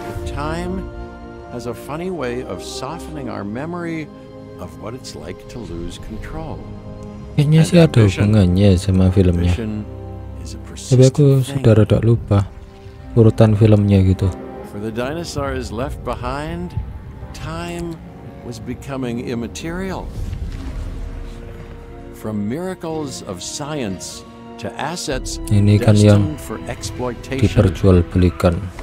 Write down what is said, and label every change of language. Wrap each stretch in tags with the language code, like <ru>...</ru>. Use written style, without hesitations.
<en>Time has a funny way of softening our memory of what it's like to lose control.</en> <id>Kayaknya sih ada hubungannya sama filmnya. Tapi aku sudah rada lupa urutan filmnya gitu.</id> <en>For the dinosaurs left behind, time was becoming immaterial. From miracles of science to assets destined for exploitation.</en> <id>Ini kan yang diperjualbelikan.</id>